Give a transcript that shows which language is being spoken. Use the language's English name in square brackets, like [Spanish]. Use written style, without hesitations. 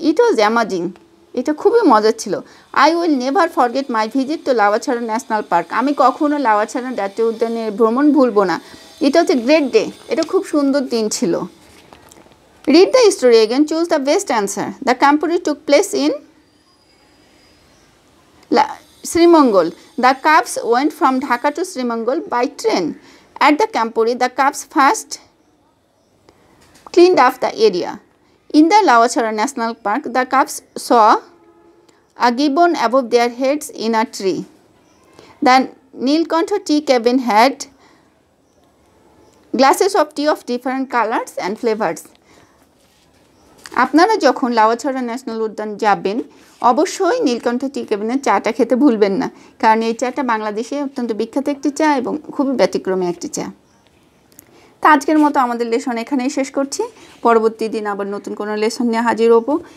[English] it was amazing, [Bangla] এটা খুবই মজার ছিল। [English] I will never forget my visit to Lawachara national park, [Bangla] আমি কখনও লাওয়াছড়া জাতীয় উদ্যানের ভ্রমণ ভুলবো না। [English] it was a great day, [Bangla] এটা খুব সুন্দর দিন ছিল। [English] Read the story again, choose the best answer. The camporee took place in Srimangal. The cubs went from Dhaka to Srimangal by train. At the Kampuri, the cubs first cleaned up the area. In the Lavachara National Park, the cubs saw a gibbon above their heads in a tree. The Nilkantha tea cabin had glasses of tea of different colors and flavors. [Bangla] আপনারা যখন Lawachara national উদ্যান যাবেন অবশ্যই নীলকণ্ঠ টি কেবিনের চাটা খেতে ভুলবেন না, কারণ এই চাটা বাংলাদেশে অত্যন্ত বিখ্যাত একটি চা এবং খুবই ব্যতিক্রমী একটি চা। তা আজকের মতো আমাদের লেসন এখানেই শেষ করছি, পরবর্তী দিন আবার নতুন কোনো লেসন নিয়ে হাজির হবো।